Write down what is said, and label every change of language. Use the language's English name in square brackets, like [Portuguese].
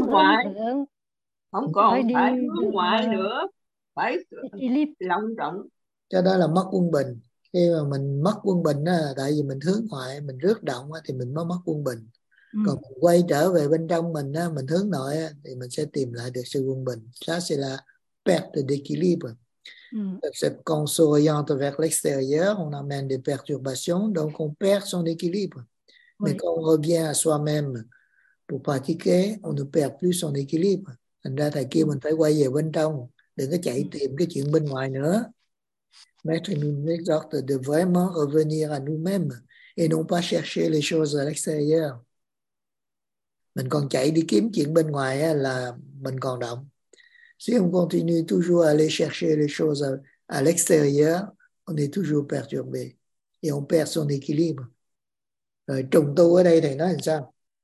[Vietnamese] ngoại, không còn phải đi hướng ngoại nữa, phải lòng rộng. Cho đó là mất quân bình. Khi mà mình mất quân bình á, tại vì mình hướng ngoại, mình rước động á, thì mình mới mất quân bình. Còn mình quay trở về bên trong mình á, mình hướng nội á, thì mình sẽ tìm lại được sự quân bình. Đó sẽ là [French] perte d'équilibre. Con s'oriente vers l'extérieur, on amène des perturbations, donc on perd son équilibre. Mais oui, quand on revient à soi-même pour pratiquer, on ne perd plus son équilibre. [Vietnamese] Thành ra thầy kêu mình phải quay về bên trong, đừng có chạy tìm cái chuyện bên ngoài nữa. [French] Maître nous exhorte de vraiment revenir à nous-mêmes et non pas chercher les choses à l'extérieur. [Vietnamese] Mình còn chạy đi kiếm chuyện bên ngoài là mình còn động. [French] Si on continue toujours à aller chercher les choses à l'extérieur, on est toujours perturbé et on perd son équilibre. [Vietnamese] Rồi trùng tu ở đây thầy nói làm sao?